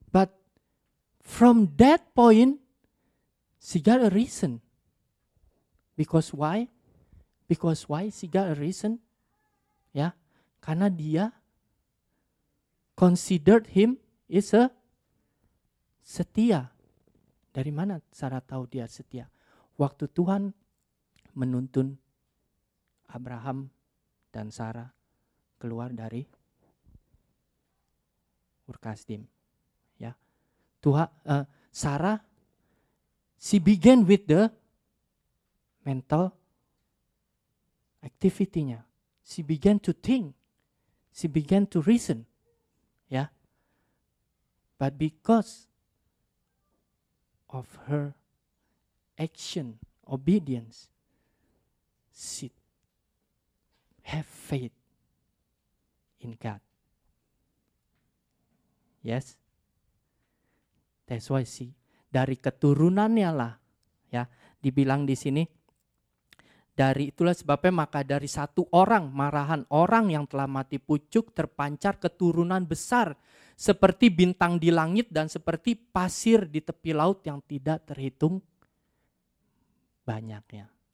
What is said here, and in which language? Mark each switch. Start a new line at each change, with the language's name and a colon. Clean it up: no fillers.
English: But from that point she got a reason. Because why? Because why she got a reason? Ya. Yeah.
Indonesian: Karena dia
English: considered him is a setia.
Indonesian: Dari mana Sarah tahu dia setia? Waktu Tuhan menuntun Abraham dan Sarah keluar dari Ur Kasdim, ya.
English: Sarah, she began with the mental activity-nya. She began to think. She began to reason. Yeah. But because of her action, obedience, she have faith in God. Yes. That's why she,
Indonesian: dari keturunannya lah, ya, dibilang di sini, dari itulah sebabnya maka dari satu orang, marahan orang yang telah mati pucuk, terpancar keturunan besar, seperti bintang di langit dan seperti pasir di tepi laut yang tidak terhitung banyaknya.